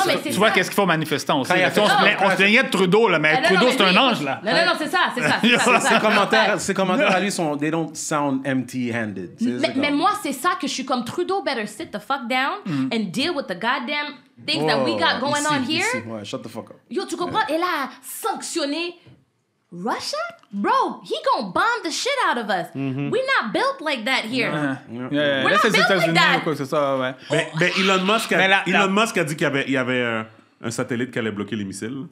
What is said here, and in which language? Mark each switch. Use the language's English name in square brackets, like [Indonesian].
[French] Tu vois qu'est-ce qu'il faut aux manifestants aussi. On se plaignait de Trudeau, là, mais Trudeau, c'est un ange, là. Non, c'est ça. [English] Ses commentaires à lui sont... They don't sound empty-handed. [French] Mais moi, c'est ça que je suis comme... [English] Trudeau better sit the fuck down and deal with the goddamn things that we got going on here. Ouais, shut the fuck up. [French] Yo, tu comprends? Elle a sanctionné... Russia? [English] Bro, he gonna bomb the shit out of us. Mm-hmm. We're not built like that here. Yeah. We're not built like that. Quoi, c'est ça, ouais. [French] Mais Elon Musk a dit qu'il y avait, un satellite qui allait bloquer les missiles.